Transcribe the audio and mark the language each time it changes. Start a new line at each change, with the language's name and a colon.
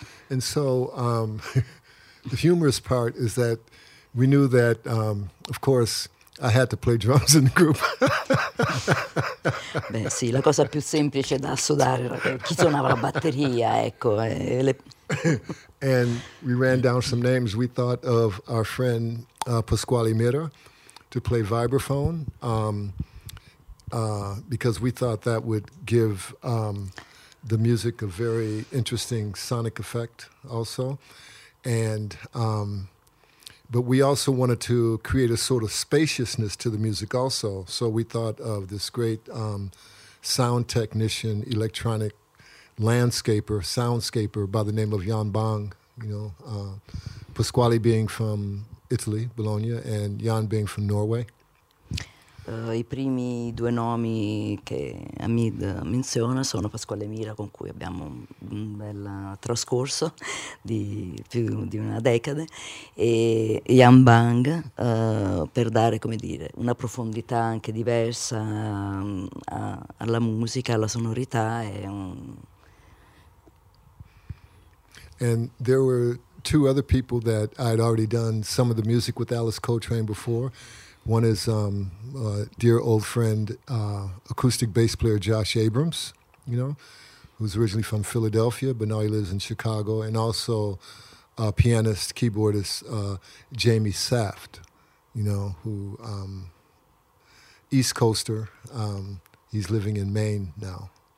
English: And so the humorous part is that we knew that, of course, I had to play drums in the group.
Italian: Beh, sì, la cosa più semplice da assodare era chi suonava la batteria, ecco.
English: And we ran down some names. We thought of our friend Pasquale Mira to play vibraphone, because we thought that would give the music a very interesting sonic effect also. And but we also wanted to create a sort of spaciousness to the music also. So we thought of this great sound technician, electronic landscaper, soundscaper by the name of Jan Bang, you know, Pasquale being from Italy, Bologna, and Jan being from Norway.
Italian: I primi due nomi che Hamid menziona sono Pasquale Mira, con cui abbiamo un bel trascorso di più di una decade, e Jan Bang, per dare, come dire, una profondità anche diversa alla musica, alla sonorità. E
English: And there were two other people that I'd already done some of the music with Alice Coltrane before. One is dear old friend, acoustic bass player Josh Abrams, you know, who's originally from Philadelphia, but now he lives in Chicago, and also pianist, keyboardist Jamie Saft, you know, who, East Coaster, he's living in Maine now.